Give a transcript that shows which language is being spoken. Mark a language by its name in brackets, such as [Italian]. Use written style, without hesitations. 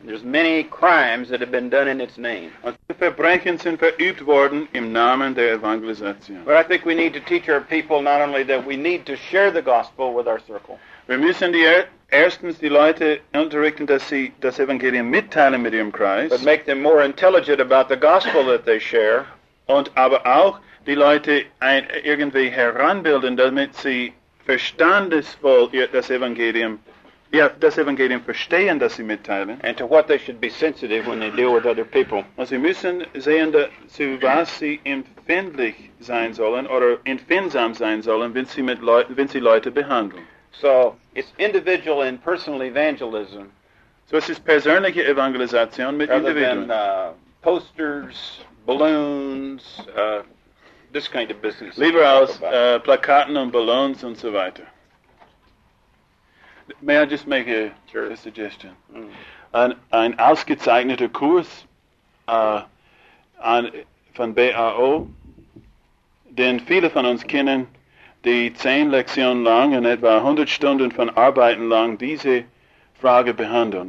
[English] There's many crimes that have been done in its name. [German] Und Verbrechen sind verübt worden im Namen der Evangelisation. [English] But I think we need to teach our people not only that we need to share the gospel with our circle. [German] Wir müssen erstens die Leute unterrichten, dass sie das Evangelium mitteilen mit ihrem Kreis. [English] But make them more intelligent about the gospel that they share. [German] Und aber auch die Leute irgendwie heranbilden, damit sie verstandesvoll das Evangelium verstehen, das sie mitteilen. [English] And to what they should be sensitive when they deal with other people. [German] Und sie müssen sehen, zu was sie empfindlich sein sollen oder empfindsam sein sollen, wenn sie Leute behandeln. [English] So it's individual and personal evangelism. [German] So es ist persönliche Evangelisation mit Individuen. [English] Rather than posters, balloons, this kind of business. [German] Lieber als Plakaten und Ballons und so weiter. [English] May I just make a suggestion? [German] Ein ausgezeichneter Kurs von BAO, den viele von uns kennen, die 10 Lektionen lang und etwa 100 Stunden von Arbeiten lang diese Frage behandeln.